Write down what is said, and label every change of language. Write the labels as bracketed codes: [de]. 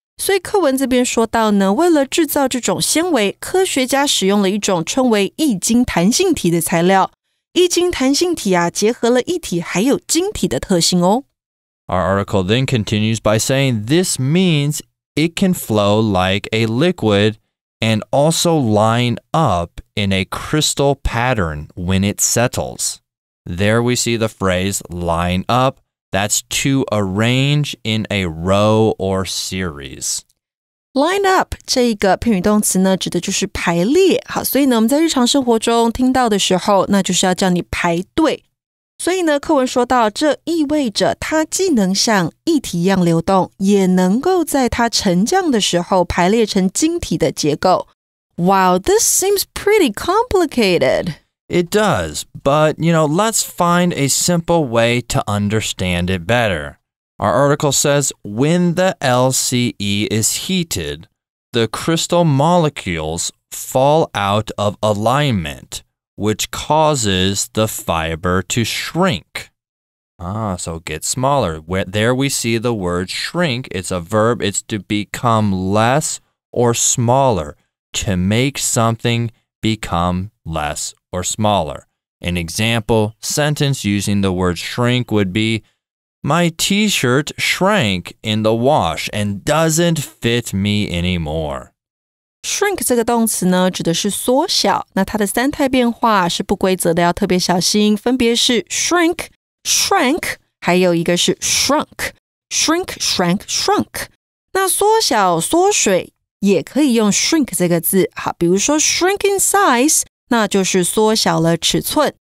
[zh] 所以课文这边说到呢，为了制造这种纤维，科学家使用了一种称为易晶弹性体的材料。易晶弹性体啊，结合了液体还有晶体的特性哦。 [en] Our article then continues by saying this means it can flow like a liquid and also line up in a crystal pattern when it settles. There we see the phrase line up. That's to arrange in a row or series. [zh] Line up 这一个片语动词呢，指的就是排列。好，所以呢，我们在日常生活中听到的时候，那就是要叫你排队。所以呢，课文说到，这意味着它既能像液体一样流动，也能够在它沉降的时候排列成晶体的结构。 [en] Wow, this seems pretty complicated. It does, but, you know, let's find a simple way to understand it better. Our article says, when the LCE is heated, the crystal molecules fall out of alignment. Which causes the fiber to shrink. So get smaller. There we see the word shrink. It's a verb. It's to become less or smaller, to make something become less or smaller. An example sentence using the word shrink would be, My t-shirt shrank in the wash and doesn't fit me anymore. [zh] Shrink 这个动词呢，指的是缩小。那它的三态变化是不规则的，要特别小心。分别是 shrink, shrank, 还有一个是 shrunk, shrink, shrank, shrunk。那缩小、缩水也可以用 shrink 这个字。好，比如说 [en] shrink in size, [zh] 那就是缩小了尺寸。